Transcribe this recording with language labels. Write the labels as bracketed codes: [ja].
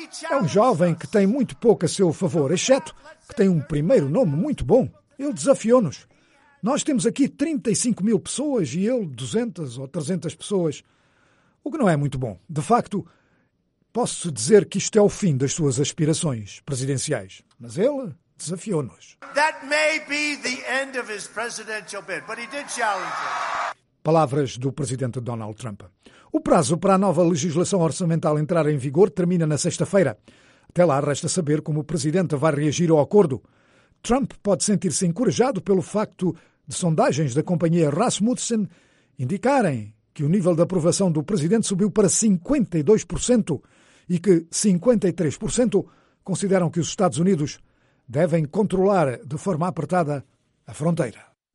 [pt] É um jovem que tem muito pouco a seu favor, exceto que tem um primeiro nome muito bom. Ele desafiou-nos. Nós temos aqui 35 mil pessoas e ele 200 ou 300 pessoas, o que não é muito bom. De facto, posso dizer que isto é o fim das suas aspirações presidenciais. Mas ele desafiou-nos. [en] That may be the end of his presidential bid, but he did challenge us. [pt] Palavras do presidente Donald Trump. O prazo para a nova legislação orçamental entrar em vigor termina na sexta-feira. Até lá, resta saber como o presidente vai reagir ao acordo. Trump pode sentir-se encorajado pelo facto de sondagens da companhia Rasmussen indicarem que o nível de aprovação do presidente subiu para 52% e que 53% consideram que os Estados Unidos devem controlar de forma apertada a fronteira.